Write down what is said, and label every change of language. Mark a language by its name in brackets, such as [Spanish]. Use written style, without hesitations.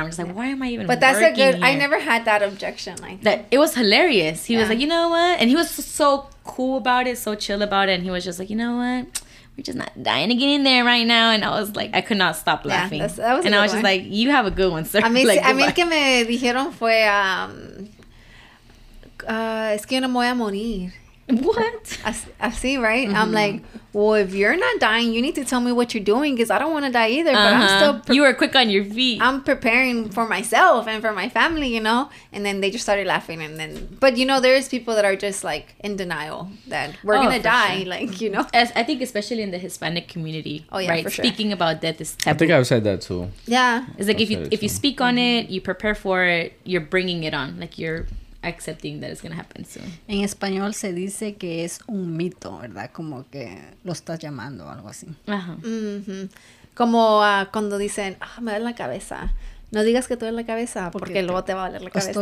[English] I'm just like, why am I even? But that's a good. Here? I never had that objection. Like that, it was hilarious. He yeah. was like, you know what? And he was so cool about it, so chill about it. And he was just like, you know what? We're just not dying to get in there right now. And I was like, I could not stop laughing. Yeah, that was and I was one. Just like, you have a good one, sir. [Spanish] A mí, [English] like, [Spanish] a mí que me dijeron fue, es que yo no voy a morir. [English] What? [Spanish] Así, right? [English] Mm-hmm. I'm like, well, if you're not dying, you need to tell me what you're doing because I don't want to die either. Uh-huh. But I'm still... you were quick on your feet. I'm preparing for myself and for my family, you know? And then they just started laughing. And then... but, you know, there's people that are just, like, in denial that we're going to die. Sure. Like, you know? As I think especially in the Hispanic community. Oh, yeah, right? For sure. Speaking about death is taboo. I think I've said that, too. Yeah. It's like, if you speak on it, you prepare for it, you're bringing it on. Like, you're... accepting that it's going to happen soon. [Spanish] En español se dice que es un mito, ¿verdad? Como que lo estás llamando o algo así. Ajá. Mm-hmm. Como cuando dicen, ah, me duele la cabeza. No digas que te duele la cabeza porque luego te va a doler la cabeza.